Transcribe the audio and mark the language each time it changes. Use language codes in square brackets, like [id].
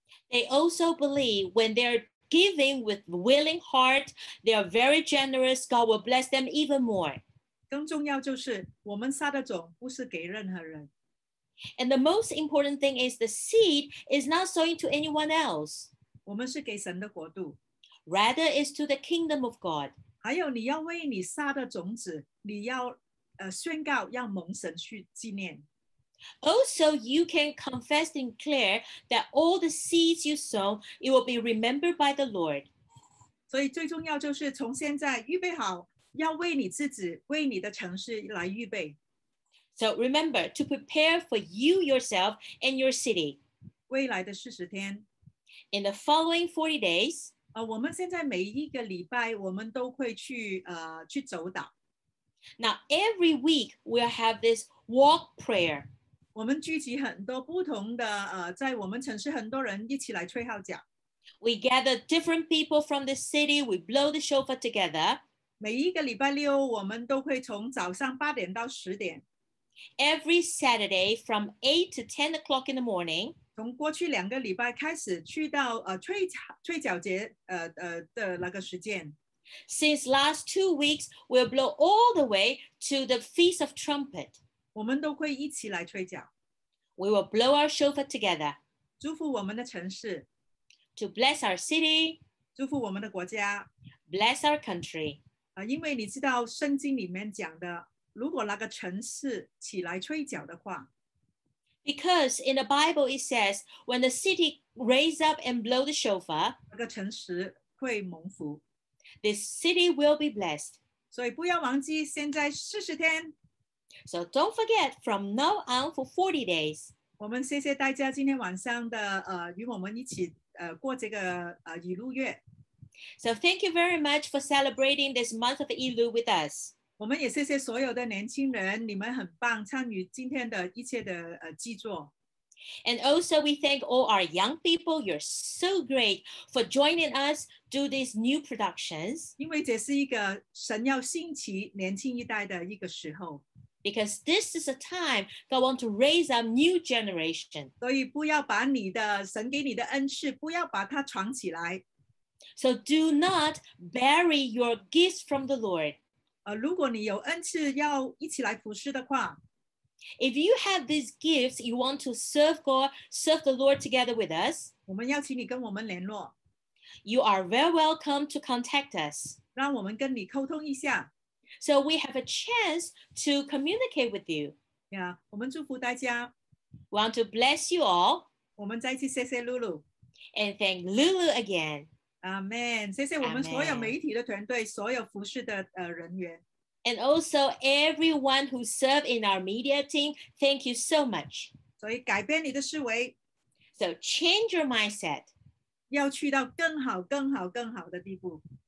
[en] They also believe when they're giving with willing heart, they are very generous, God will bless them even more. [zh] 更重要就是我们撒的种不是给任何人。 [en] And the most important thing is the seed is not sowing to anyone else. [zh] 我们是给神的国度。 [en] Rather, it's to the kingdom of God. [zh] 还有你要为你撒的种子，你要宣告，要蒙神去纪念。 [en] Also, you can confess and declare that all the seeds you sow, it will be remembered by the Lord. [zh] 所以最重要就是从现在预备好，要为你自己、为你的城市来预备。 [en] So remember to prepare for you, yourself, and your city. [zh] 未来的40天。 [en] In the following 40 days, [zh] 我们现在每一个礼拜我们都会去去走祷。 [en] Now every week we'll have this walk prayer. [zh] 我们聚集很多不同的在我们城市很多人一起来吹号角。 [en] We gather different people from the city. We blow the shofar together. [zh] 每一个礼拜六我们都会从早上八点到十点。 [en] Every Saturday from 8 to 10 o'clock in the morning. [zh] 从过去两个礼拜开始去到吹角节的那个时间。 [en] Since last 2 weeks, we'll blow all the way to the Feast of Trumpet. [zh] 我们都会一起来吹角。 [en] We will blow our shofar together. [zh] 祝福我们的城市。 [en] To bless our city. [zh] 祝福我们的国家。 [en] Bless our country. [zh] 因为你知道圣经里面讲的如果那个城市起来吹角的话。 [en] Because in the Bible it says, when the city raise up and blow the shofar, [zh] 那个城市会蒙福。 [en] This city will be blessed. [zh] 所以不要忘记现在40天。 [en] So don't forget from now on for 40 days. [zh] 我们谢谢大家今天晚上的与我们一起过这个以路月。 [en] So thank you very much for celebrating this month of Elul with us. [zh] 我们也谢谢所有的年轻人，你们很棒，参与今天的一切的祭座。 [en] And also we thank all our young people, you're so great for joining us do these new productions. [zh] 因为这是一个神要兴起年轻一代的一个时候。 [en] Because this is a time God wants to raise a new generation. [zh] 所以不要把你的神给你的恩赐，不要把它藏起来。 [en] So do not bury your gifts from the Lord. [zh] 如果你有恩赐要一起来服侍的话。 [en] If you have these gifts, you want to serve God, serve the Lord together with us. [zh] 我们邀请你跟我们联络。 [en] You are very welcome to contact us. [zh] 让我们跟你沟通一下。 [en] So we have a chance to communicate with you. Yeah, [zh] 我们祝福大家。 [en] We want to bless you all. [zh] 我们再次谢谢 Lulu. [en] And thank Lulu again. Amen. [zh] 谢谢我们所有媒体的团队，所有服事的人员。 [en] And also everyone who serve in our media team, thank you so much. [zh] 所以改变你的思维。 [en] So change your mindset. [zh] 要去到更好、更好、更好的地步。